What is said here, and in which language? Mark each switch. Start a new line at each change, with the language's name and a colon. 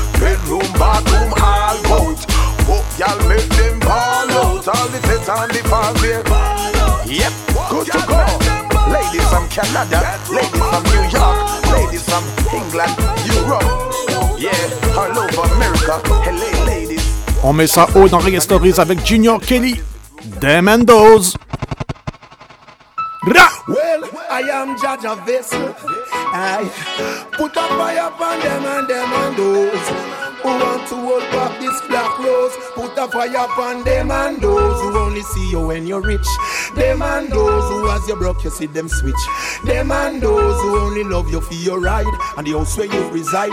English: Bedroom, bathroom, all out. Y'all make them ball out. All the fits on the party. Yep, good to go. Ladies from Canada, ladies from New York, ladies from England, Europe. Yeah, all over America. Hello, ladies.
French: On met ça haut dans Reggae Stories avec Junior Kelly, Dem and Doz.
English: I am judge of this. I put a fire upon them and them and those who want to hold up this black rose. Put a fire upon them and those who only see you when you're rich. Them and those who as you broke you see them switch. Them and those who only love you for your ride and the house where you reside.